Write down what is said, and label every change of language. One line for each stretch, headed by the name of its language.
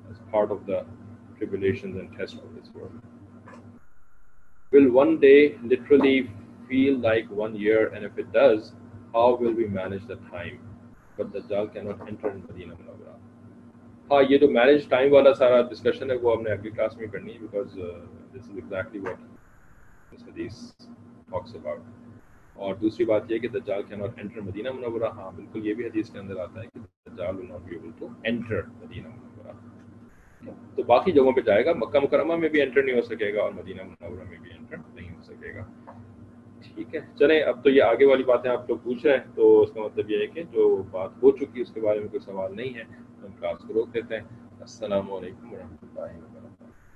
English: Why did Allah make Dajjal? So the Dajjal apparently,
Hindi: yahi hai ki
English: Dajjal has been made as a test, as part of the tribulations and tests of this world. Will one day literally feel like 1 year? And if it does, how will we manage the time? But Dajjal cannot enter in Madina Munawwara.
Hindi: हाँ ये तो manage time वाला सारा discussion है वो हमने अगली class में करनी है
English: because this is exactly what this hadith talks about.
Hindi: और दूसरी बात ये कि Dajjal
English: cannot enter
Hindi: Madina Munawwara. हाँ बिल्कुल ये भी hadith के अंदर आता है कि Dajjal
English: will not be able to enter
Hindi: Madina Munawwara. तो बाकी जगहों पे जाएगा, मक्का मुकरमा में भी एंटर नहीं हो सकेगा और मदीना मुनव्वरा में भी एंटर नहीं हो सकेगा। ठीक है चले, अब तो ये आगे वाली बातें आप लोग पूछ रहे हैं तो उसका मतलब ये है कि जो बात हो चुकी है उसके बारे में कोई सवाल नहीं है तो हम क्लास को रोक देते हैं। अस्सलामुअलैकुम वरहमतुल्लाहि वबरकातुहु।